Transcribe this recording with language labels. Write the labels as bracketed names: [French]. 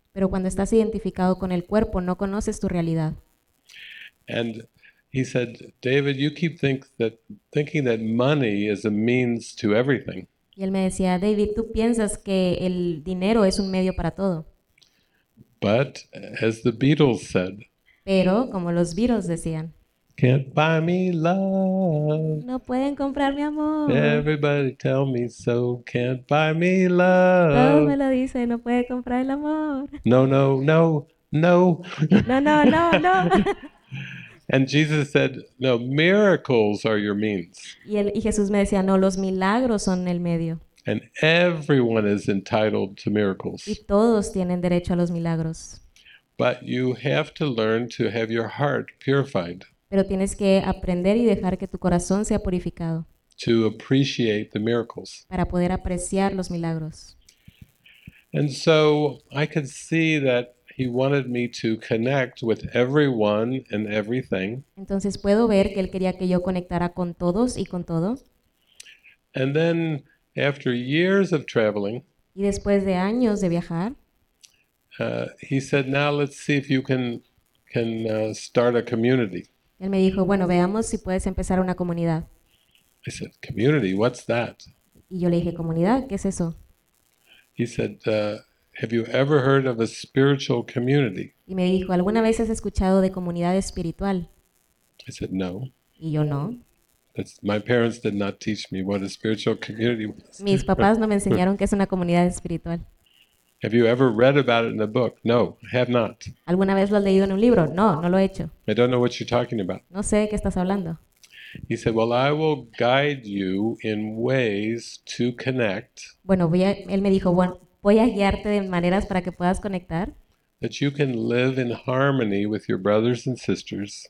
[Spanish] Pero cuando estás identificado con el cuerpo, no conoces tu realidad. [English] And he said, David, you keep thinking that money is a means to everything. [Spanish] Y él me decía, David, tú piensas que el dinero es un medio para todo. [English] But as the Beatles said, [Spanish] Pero, como los Beatles decían, [English] can't buy me love. [Spanish] no pueden comprar mi amor. [English] Everybody tell me so, can't buy me [Spanish] Todo me lo dice, no puede comprar el amor. [English] No, no, no, no. [Spanish] No, no, no, no. [English] And Jesus said, no, miracles are your means. [Spanish] Y Jesús me decía, no, los milagros son el medio. [English] And everyone is entitled to [Spanish] Y [English] miracles. [Spanish] todos tienen derecho a los milagros. [English] But you have to learn to have your heart purified. [Spanish] Pero tienes que aprender y dejar que tu corazón sea purificado [English] To appreciate the miracles. [Spanish] para poder apreciar los milagros. [English] And so I could see that he wanted me to connect with everyone and everything. [Spanish] Entonces puedo ver que él quería que yo conectara con todos y con todo. [English] And then, after years of traveling, [Spanish] Y después de años de viajar, [English] he said, now let's see if you can start a community. [Spanish] él me dijo, bueno, veamos si puedes empezar una comunidad. [English] I said, community, what's that? [Spanish] Y yo le dije, comunidad, ¿qué es eso? [English] He said, have you ever heard of a spiritual community? [Spanish] Y me dijo, ¿alguna vez has escuchado de comunidad espiritual? [English] I said, no. [Spanish] Y yo no. [English] My parents did not teach me what a spiritual community was. [Spanish] Mis papás no me enseñaron qué es una comunidad espiritual. [English] Have you ever read about it in a book? No, I have not. [Spanish] ¿Alguna vez lo has leído en un libro? No, no lo he hecho. [English] I don't know what you're talking about. [Spanish] No sé de qué estás hablando. [English] He said, well, I will guide you in ways to connect [Spanish] Bueno, él me dijo, bueno, voy a guiarte de maneras para que puedas conectar [English] that you can live in harmony with your brothers and sisters